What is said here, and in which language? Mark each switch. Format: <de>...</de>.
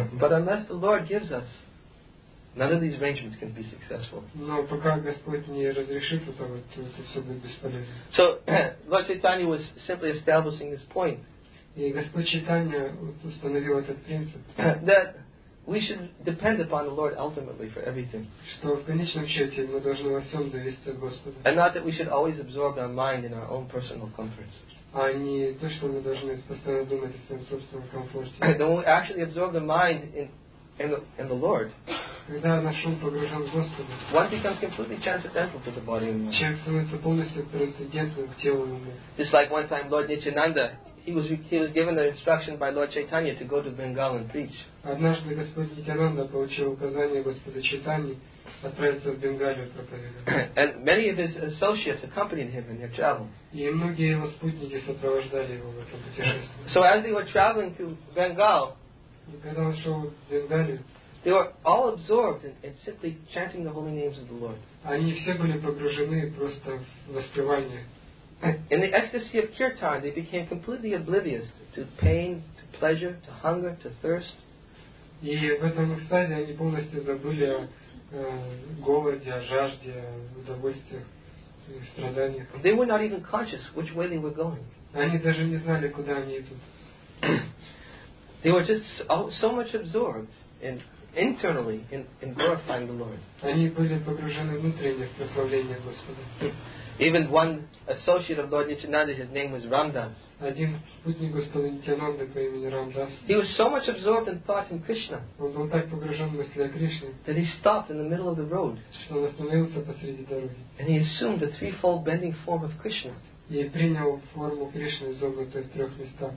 <en>But unless the Lord gives us, none of these arrangements can be successful.</en> <ru>Но пока Господь не разрешит это все будет бесполезно.</ru> <en>So Lord Chaitanya was simply establishing this point.</en> <ru>И Господь Чайтанья установил этот принцип.</ru> <en>That we should depend upon the Lord ultimately for everything.</en> <ru>Что в конечном счете мы должны во всем зависеть от Господа.</ru> <en>And not that we should always absorb our mind in our own personal comforts.</en> <ru>А не то, что мы должны постоянно думать о своем собственном комфорте.</ru> <en>Then we actually absorb the mind in the Lord.</en> <ru>Когда наш ум погружен в Господа,</ru> <en>one becomes completely transcendental to the body and mind.</en> <ru>Человек становится полностью трансцендентным к телу и уму.</ru> <en>Just like one time Lord Nityananda, he was given the instruction by Lord Chaitanya to go to Bengal and preach.</en> <ru>Однажды Господь Нитянанда получил указание Господа Чайтаньи отправиться в Бенгалию проповедовать.</ru> <en>And many of his associates accompanied him in their travels.</en> <ru>И многие его спутники сопровождали его в этом путешествии.</ru> <en>So as they were traveling to Bengal,</en> <ru>когда он шел в Бенгалию,</ru> <en>they were all absorbed in simply chanting the holy names of the Lord.</en> <ru>Они все были погружены просто в воспевание.</ru> <en>In the ecstasy of kirtan, they became completely oblivious to pain, to pleasure, to hunger, to thirst.</en> <ru>И в этом экстазе они полностью забыли о голоде, о жажде, о удовольствиях и страданиях.</ru> <en>They were not even conscious which way they were going.</en> <ru>Они даже не знали, куда они идут.</ru> <en>They were just so much absorbed internally in glorifying the Lord.</en> <ru>Они были погружены внутренне в прославление Господа.</ru> <en>Even one associate of Lord Nityananda, his name was Ramdas.</en> <ru>Один спутник Господа Нитянанды по имени Рамдас.</ru> <en>He was so much absorbed in thought in Krishna.</en> <ru>Он был так погружен в мысли о Кришне.</ru> <en>That he stopped in the middle of the road.</en> <ru>Что он остановился посреди дороги.</ru> <en>And he assumed the threefold bending form of Krishna.</en> <ru>И принял форму Кришны, изогнутой в трех местах.</ru>